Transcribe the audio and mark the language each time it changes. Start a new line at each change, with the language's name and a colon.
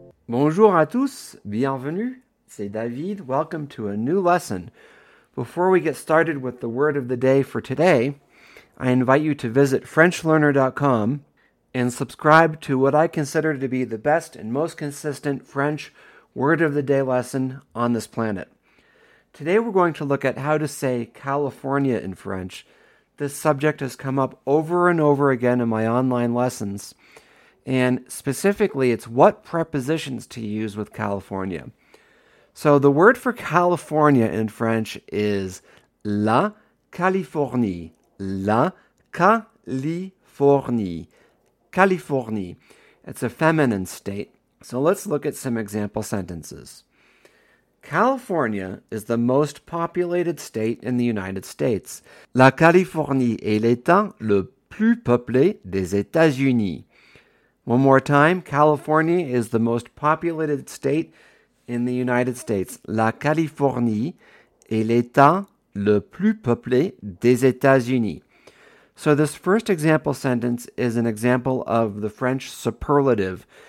French: Bonjour à tous, bienvenue, c'est David,
English: welcome to a new lesson. Before we get started with the word of the day for today, I invite you to visit FrenchLearner.com and subscribe to what I consider to be the best and most consistent French word of the day lesson on this planet. Today we're going to look at how to say California in French. This subject has come up over and over again in my online lessons. And specifically, it's what prepositions to use with California. So the word for California in French is la Californie.
French: La Californie. Californie.
English: It's a feminine state. So let's look at some example sentences. California is the most populated state in the United States.
French: La Californie est l'État le plus peuplé des États-Unis.
English: One more time, California is the most populated state in the United States.
French: La Californie est l'État le plus peuplé des États-Unis.
English: So this first example sentence is an example of the French superlative.